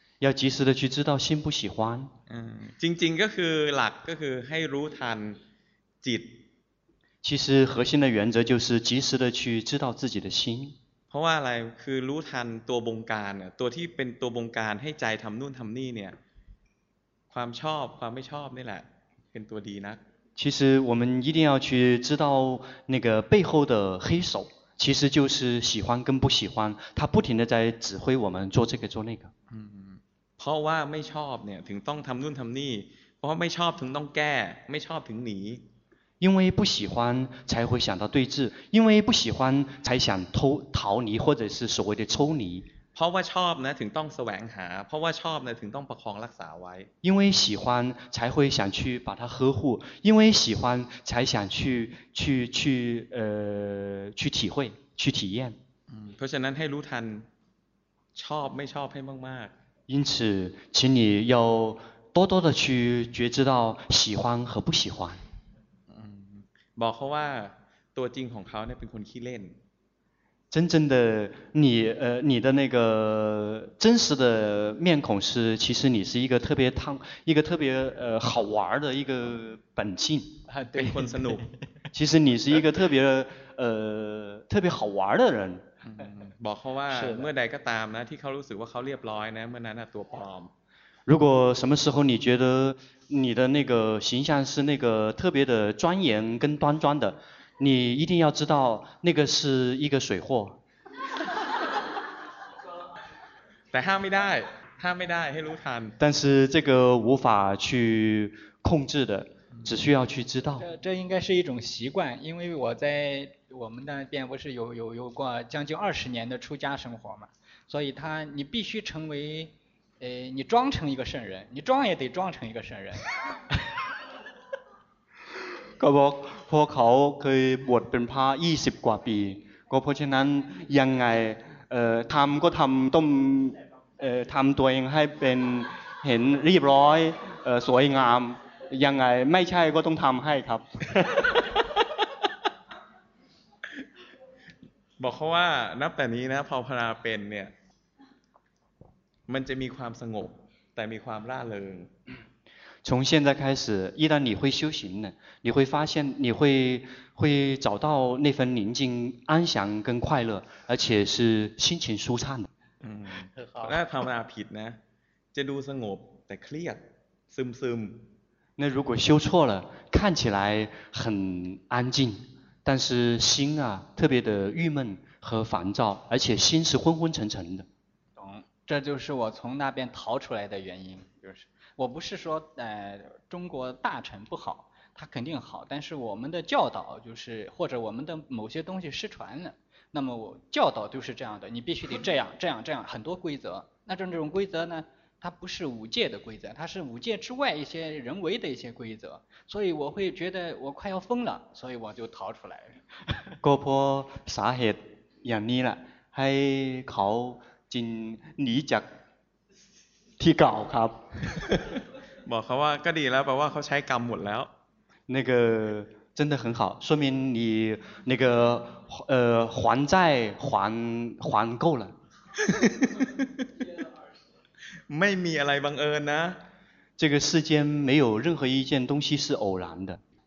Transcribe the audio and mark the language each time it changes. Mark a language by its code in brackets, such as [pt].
[zh] 要及时的去知道心不喜欢 [th] จริงๆก็คือหลักก็คือให้รู้ทันจิต [zh] 其实核心的原则就是及时的去知道自己的心 [th] เพราะว่าอะไรคือรู้ทันตัวบงการตัวที่เป็นตัวบงการให้ใจทำนู่นทำนี่เนี่ยความชอบความไม่ชอบนี่แหละเป็นตัวดีนะ [zh] 其实我们一定要去知道那个背后的黑手其实就是喜欢跟不喜欢他不停地在指挥我们做这个做那个 [th] เพราะว่าไม่ชอบเนี่ยถึงต้องทำนู่นทำนี่เพราะไม่ชอบถึงต้องแก้ไม่ชอบถึงหนี [zh] 因为不喜欢才会想到对治因为不喜欢才想逃离或者是所谓的抽离 [th] เพราะว่าชอบนะถึงต้องแสวงหาเพราะว่าชอบนะถึงต้องประคองรักษาไว้ [zh] 因为喜欢才会想去把它呵护因为喜欢才想去体会去体验 [th] เพราะฉะนั้นให้รู้ทันชอบไม่ชอบให้มาก [zh] ๆ因此请你要多多的去觉知到喜欢和不喜欢 [th] บอกเขาว่าตัวจริงของเขาเนี่ยเป็นคนขี้เล่น [zh] 真正的你你的那个真实的面孔是其实你是一个特别烫一个特别好玩的一个本性对混生路其实你是一个特别特别好玩的人 [th] บอกเขาว่าเมื่อใดก็ตามนะที่เขารู้สึกว่าเขาเรียบร้อยนะเมื่อนั้นตัวปลอม [zh] 如果什么时候你觉得你的那个形象是那个特别的庄严跟端庄的你一定要知道那个是一个水货但哈没带哈没带黑卢坦但是这个无法去控制的只需要去知道这应该是一种习惯因为我在我们那边不是有过将近20年的出家生活嘛所以他你必须成为你装成一个圣人你装也得装成一个圣人 [th] ก็เพราะเขาเคยบวชเป็นพระ20 กว่าปีก็เพราะฉะนั้นยังไงทำก็ทำต้องทำตัวเองให้เป็นเห็นเรียบร้อยสวยงามยังไงไม่ใช่ก็ต้องทำให้ครับ บอกเขาว่านับแต่นี้นะพอภาวนาเป็นเนี่ยมันจะมีความสงบแต่มีความร่าเริง [zh] 从现在开始一旦你会修行呢你会发现你 会找到那份宁静安详跟快乐而且是心情舒畅的 [th] 那ภาวนาผิดนะจะดูสงบแต่เครียดซึมซึม [zh] 那如果修错了看起来很安静但是心啊特别的郁闷和烦躁而且心是昏昏沉沉的懂这就是我从那边逃出来的原因就是我不是说中国大臣不好他肯定好但是我们的教导就是或者我们的某些东西失传了那么我教导就是这样的你必须得这样这样这样很多规则那这种规则呢它不是五戒的规则它是五戒之外一些人为的一些规则所以我会觉得我快要疯了所以我就逃出来 [th] ก็เพราะสาเหตุอย่างนี้แหละให้เขาจึงหนีจากที่เก่าครับ บอกเขาว่าก็ดีแล้วแปลว่าเขาใช้กรรมหมดแล้ว [zh] 那个真的很好说明你那个还债还够了 [th] ไม่มีอะไรบังเอิญนะ [zh] 这个世间没有任何一件东西是偶然的